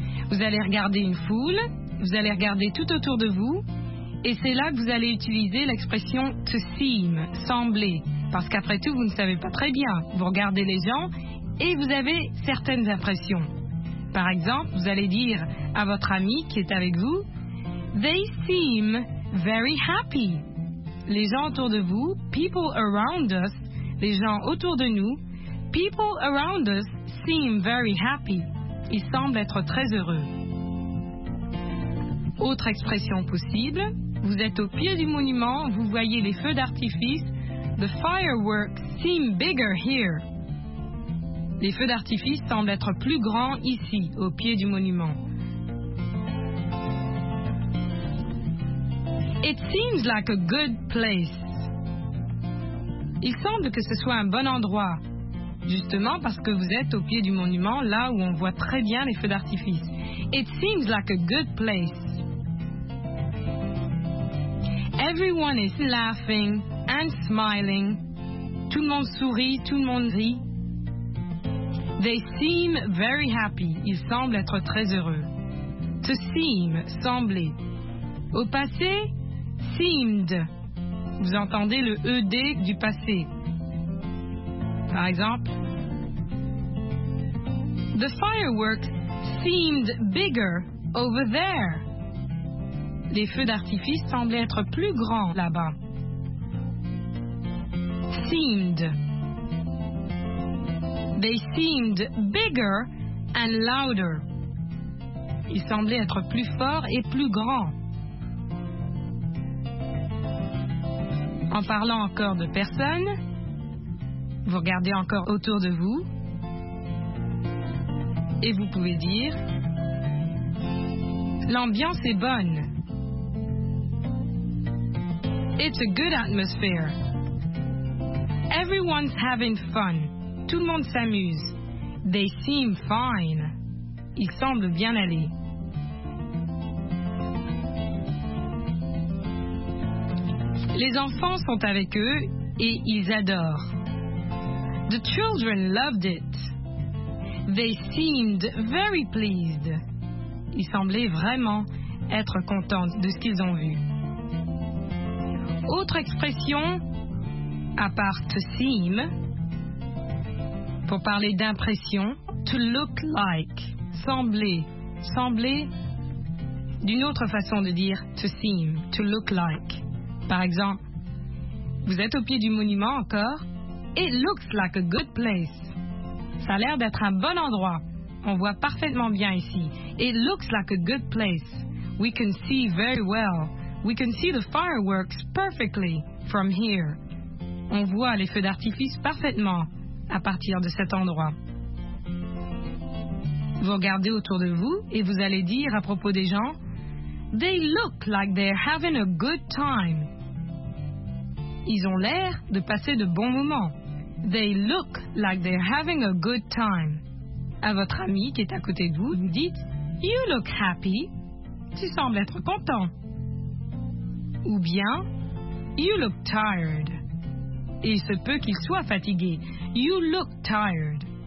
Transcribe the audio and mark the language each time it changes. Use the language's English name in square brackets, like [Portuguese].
[French] Vous allez regarder une foule, vous allez regarder tout autour de vous, et c'est là que vous allez utiliser l'expression to seem, sembler, parce qu'après tout, vous ne savez pas très bien. Vous regardez les gens et vous avez certaines impressions. Par exemple, vous allez dire à votre ami qui est avec vous, [English] they seem very happy. [French] Les gens autour de vous, [English] people around us, [French] les gens autour de nous, [English] people around us seem very happy. [French] Ils semblent être très heureux. Autre expression possible, vous êtes au pied du monument, vous voyez les feux d'artifice, [English] The fireworks seem bigger here. [French] Les feux d'artifice semblent être plus grands ici, au pied du monument. [English] It seems like a good place. [French] Il semble que ce soit un bon endroit, justement parce que vous êtes au pied du monument, là où on voit très bien les feux d'artifice. [English] It seems like a good place. Everyone is laughing and smiling. [French] Tout le monde sourit, tout le monde rit. [English] They seem very happy. [French] Ils semblent être très heureux. To seem, sembler. Au passé, seemed. Vous entendez le ED du passé. Par exemple, [English] the fireworks seemed bigger over there. [French] Les feux d'artifice semblaient être plus grands là-bas. [English] Seemed. They seemed bigger and louder. [French] Ils semblaient être plus forts et plus grands. En parlant encore de personnes, vous regardez encore autour de vous et vous pouvez dire l'ambiance est bonne. [English] It's a good atmosphere. Everyone's having fun. [French] Tout le monde s'amuse. [English] They seem fine. [French] Ils semblent bien aller. Les enfants sont avec eux et ils adorent. [English] The children loved it. They seemed very pleased. [French] Ils semblaient vraiment être contents de ce qu'ils ont vu. Autre expression, à part to seem, pour parler d'impression, to look like, sembler, sembler, d'une autre façon de dire to seem, to look like. Par exemple, vous êtes au pied du monument encore, [English] it looks like a good place. [French] Ça a l'air d'être un bon endroit, on voit parfaitement bien ici. [English] It looks like a good place, we can see very well. We can see the fireworks perfectly from here. [French] On voit les feux d'artifice parfaitement à partir de cet endroit. Vous regardez autour de vous et vous allez dire à propos des gens, [English] they look like they're having a good time. [French] Ils ont l'air de passer de bons moments. [English] They look like they're having a good time. [French] À votre ami qui est à côté de vous, vous dites, [English] you look happy. [French] Tu sembles être content. Ou bien, [English] you look tired. [French] Et il se peut qu'il soit fatigué. [English] You look tired.